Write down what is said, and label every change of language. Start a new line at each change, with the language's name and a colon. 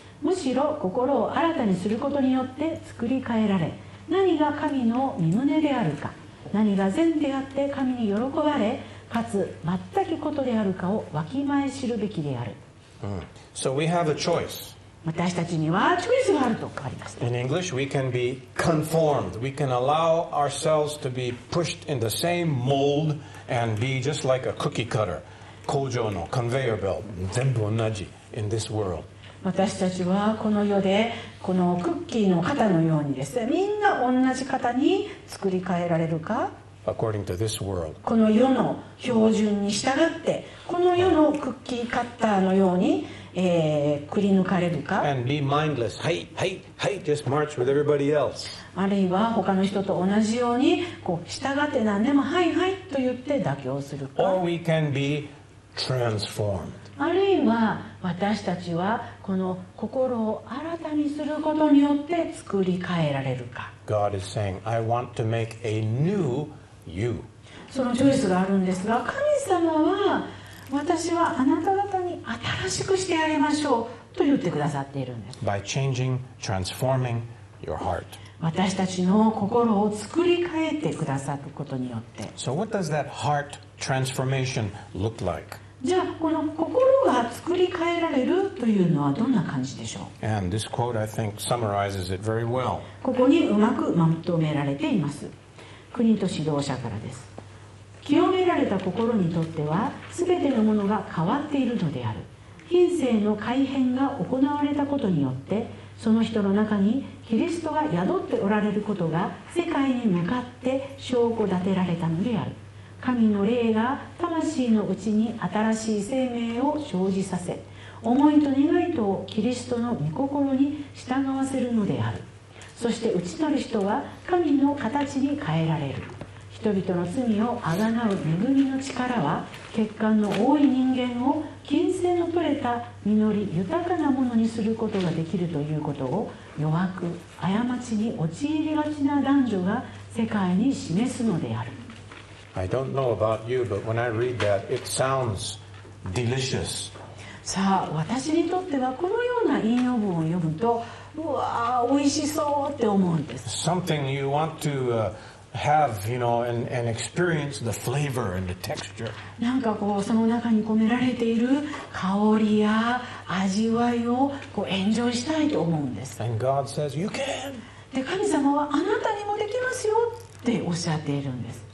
Japanese: むしろ心を新たにすることによって作り変えられ、何が神の御旨であるか、何が善であって神に喜ばれ、かつ全くことであるかをわきまえ知るべきである。
English: So we have a choice.
Japanese: 私たちにはチョイスがあると変わりました。
English: In English, we can be conformed. We can allow ourselves to be pushed in the same mold and be just like a cookie cutter.
Japanese: 工場のコンベヤーベルト、全部同じ
English: in this world.
Japanese: 私たちはこの世でこのクッキーの型のようにですね、みんな同じ型に作り変えられるか。
English: According to this world.
Japanese: この世の標準に従ってこの世のクッキーカッターのように、くり抜かれるか。
English: And be mindless. Hey, hey, hey, just march with everybody else.
Japanese: あるいは他の人と同じようにこう従って何でもはいはいと言って妥協するか。
English: Or we can be transformed.
Japanese: あるいは私たちはこの心を新たにすることによって作り変えられるか。
English: God is saying, I want to make a new you.
Japanese: そのチョイスがあるんですが、神様は私はあなた方に新しくしてやりましょうと言ってくださっているんです。
English: By changing, transforming your heart.
Japanese: 私たちの心を作り変えてくださることによって。
English: So what does that heart transformation look like?
Japanese: じゃあこの心が作り変えられるというのはどんな感じでしょう。
English: And this quote, I think, summarizes it very well.
Japanese: ここにうまくまとめられています。国と指導者からです。清められた心にとっては全てのものが変わっているのである。品性の改変が行われたことによってその人の中にキリストが宿っておられることが世界に向かって証拠立てられたのである。神の霊が魂のうちに新しい生命を生じさせ、思いと願いとをキリストの御心に従わせるのである。そして内なる人は神の形に変えられる。人々の罪をあがなう恵みの力は血管の多い人間を金星の取れた実り豊かなものにすることができるということを弱く過ちに陥りがちな男女が世界に示すのである。
English: I don't know about you, but when I read that, it sounds delicious.
Japanese: さあ、私にとってはこのような引用文を読むと、うわあ、美味しそうって思うんです。
English: Something you want to have, you know, and experience the flavor and the texture.
Japanese: なんかこうその中に込められている香りや味わいをこうエンジョイしたいと思うんです。
English: And God says, "You can."
Japanese: で、神様はあなたにもできますよっておっしゃっているんです。